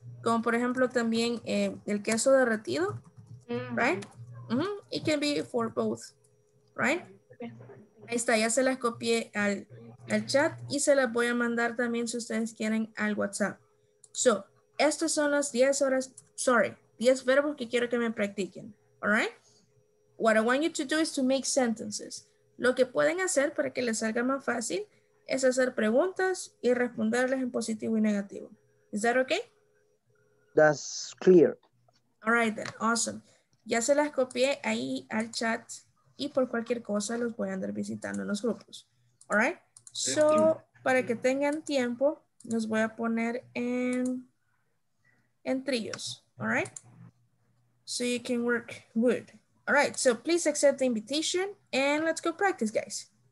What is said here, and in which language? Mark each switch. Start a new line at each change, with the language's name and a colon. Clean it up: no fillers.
Spanish: Como por ejemplo también el queso derretido, mm-hmm. right? Mm-hmm.
English: It can be for both, right?
Spanish: Ahí está, ya se las copié al chat y se las voy a mandar también si ustedes quieren al WhatsApp. So, estas son las 10 horas, sorry, 10 verbos que quiero que me practiquen,
English: all right? What I want you to do is to make sentences.
Spanish: Lo que pueden hacer para que les salga más fácil es hacer preguntas y responderles en positivo y negativo.
English: Is that okay? That's clear. All right then, awesome.
Spanish: Ya se las copié ahí al chat y por cualquier cosa los voy a andar visitando en los grupos.
English: All right?
Spanish: So, para que tengan tiempo, los voy a poner en trillos.
English: All right? So you can work good. All right, so please accept the invitation and let's go practice, guys.